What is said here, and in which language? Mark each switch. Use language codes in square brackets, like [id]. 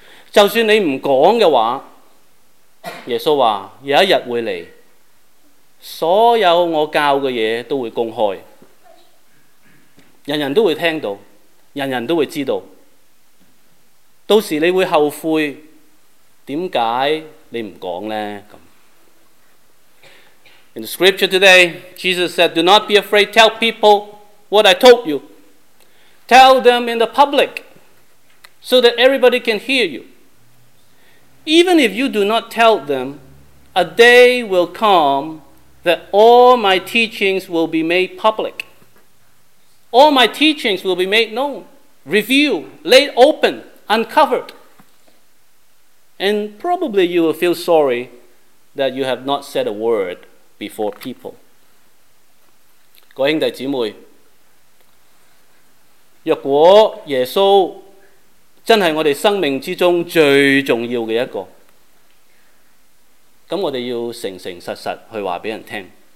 [zh] 就算你不说的话，耶稣说有一天会来，所有我教的事都会公开，人人都会听到，人人都会知道。到时你会后悔，为什么你不说呢？ [en] In the scripture today, Jesus said, do not be afraid, tell people what I told you. Tell them in the public so that everybody can hear you. Even if you do not tell them, a day will come that all my teachings will be made public. All my teachings will be made known, revealed, laid open, uncovered. And probably you will feel sorry that you have not said a word before people. [zh] 各位兄弟姊妹，若果耶稣真是我们生命之中最重要的一个，那我们要诚诚实实去告诉人听。